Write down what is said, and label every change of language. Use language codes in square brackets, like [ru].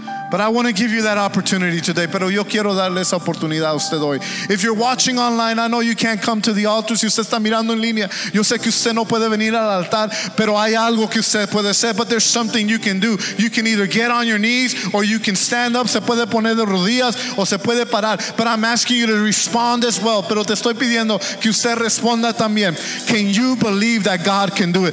[en] But I want to give you that opportunity today. [es] Pero yo quiero darle esa oportunidad a usted hoy. [en] If you're watching online, I know you can't come to the altar. [es] Si usted está mirando en línea, yo sé que usted no puede venir al altar. Pero hay algo que usted puede hacer. [en] But there's something you can do. You can either get on your knees or you can stand up. [es] Se puede poner de rodillas o se puede parar. [en] But I'm asking you to respond as well. [es] Pero te estoy pidiendo que usted responda también. [en] Can you believe that God can do it?